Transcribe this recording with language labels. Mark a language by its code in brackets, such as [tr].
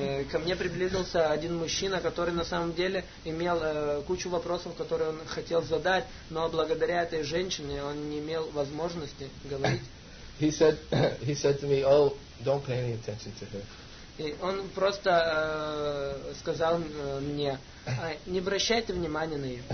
[ru] Ко мне приблизился один мужчина, который на самом деле имел кучу вопросов, которые он хотел задать, но благодаря этой женщине он не имел возможности говорить. [en] He said to me, "Oh, don't pay any attention to her." [ru] И он просто сказал мне, не обращайте внимания на её.